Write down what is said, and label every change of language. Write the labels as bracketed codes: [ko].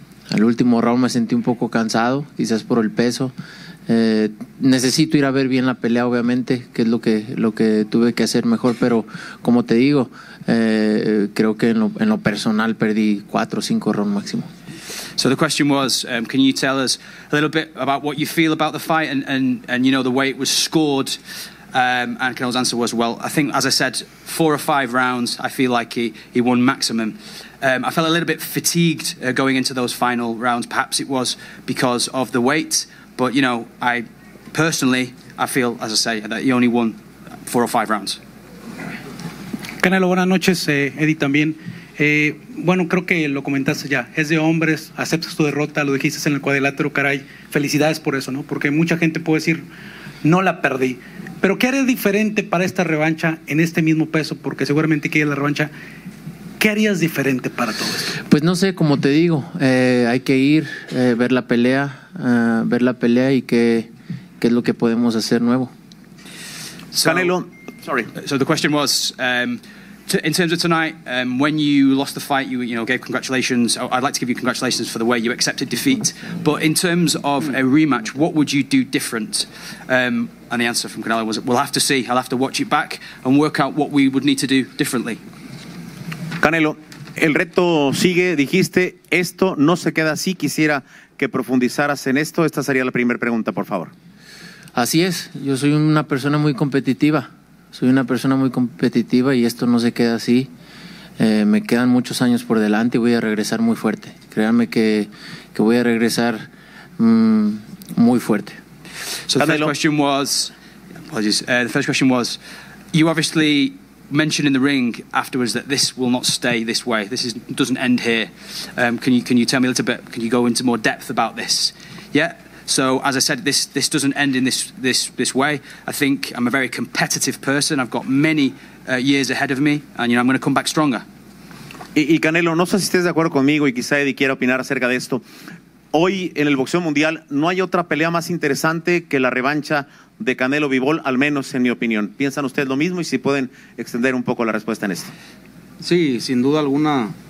[es] Al último round me sentí un poco cansado, quizás por el peso. Necesito ir a ver bien la pelea, obviamente, que es lo que tuve que hacer mejor. Pero, como te digo, creo que en lo personal perdí 4 o 5 rounds máximo. [en] So the question was, can you tell us a little bit about what you feel about the fight and you know, the way it was scored? And Canelo's answer was, well, I think, as I said, 4 or 5 rounds, I feel like he won maximum. I felt a little bit fatigued going into those final rounds. Perhaps it was because of the weight. But, you know, I personally, I feel, as I say, that he only won 4 or 5 rounds. [es] Canelo, buenas noches. Eddie también. Bueno, creo que lo comentaste ya. Es de hombres, aceptas tu derrota, lo dijiste en el cuadrilátero, caray. Felicidades por eso, ¿no? Porque mucha gente puede decir, no la perdí. Pero ¿qué harías diferente para esta revancha en este mismo peso? Porque seguramente quieres la revancha. ¿Qué harías diferente para todo esto? Pues no sé, como te digo, hay que ir, ver la pelea y qué es lo que podemos hacer nuevo. [en] Canelo, sorry. So the question was, in terms of tonight, when you lost the fight, you know, gave congratulations. I'd like to give you congratulations for the way you accepted defeat. But in terms of a rematch, what would you do different? And the answer from Canelo was, we'll have to see. I'll have to watch it back and work out what we would need to do differently. [es] Canelo, el reto sigue. Dijiste, esto no se queda así. Quisiera que profundizaras en esto. Esta sería la primera pregunta, por favor. Así es. Yo soy una persona muy competitiva. Soy una persona muy competitiva y esto no se queda así. Me quedan muchos años por delante y voy a regresar muy fuerte. Créanme que voy a regresar muy fuerte. [en] So the first question was, apologies, the first question was, you obviously mentioned in the ring afterwards that this will not stay this way. This is, doesn't end here. Can you tell me a little bit, can you go into more depth about this? Yeah. So as I said, this doesn't end in this way. I think I'm a very competitive person. I've got many years ahead of me, and you know, I'm going to come back stronger. [es] Y Canelo, no sé si estés de acuerdo conmigo y quizá Eddie quiera opinar acerca de esto. Hoy en el boxeo mundial no hay otra pelea más interesante que la revancha de Canelo Bivol, al menos en mi opinión. ¿Piensan ustedes lo mismo y si pueden extender un poco la respuesta en esto? Sí, sin duda alguna.